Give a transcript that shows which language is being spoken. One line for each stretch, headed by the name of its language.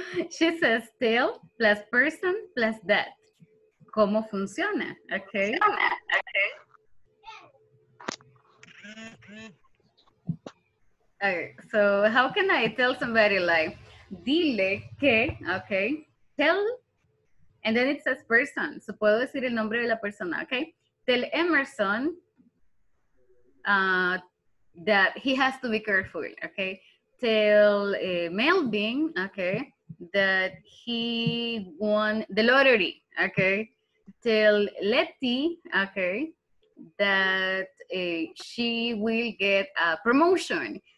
English: She says tell plus person plus that.
Spanish: ¿Cómo funciona?
English: Okay. Okay. So how can I tell somebody like,
Spanish: dile que,
English: okay, tell, and then it says person.
Spanish: So puedo decir el nombre de la persona, okay?
English: Tell Emerson that he has to be careful, okay? Tell Melvin, okay, that he won the lottery, okay? Tell Letty, okay, that she will get a promotion.